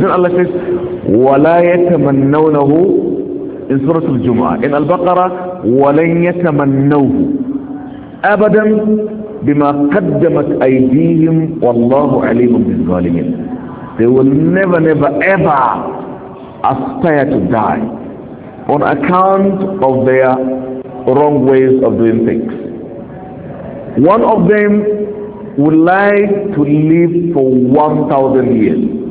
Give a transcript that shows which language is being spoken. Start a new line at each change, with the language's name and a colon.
English: Then Allah says,
Arabic: وَلَا يَتَمَنَّوْنَهُ. In Surah Al-Jumu'ah, in Al-Baqarah, وَلَنْ يَتَمَنَّوهُ أَبَدًا بِمَا قَدَّمَتْ أَيْدِيهِمْ وَاللَّهُ عَلِيمٌ بِالظَّالِمِينَ.
English: They will never ever aspire to die on account of their wrong ways of doing things. One of them would like to live for 1,000 years.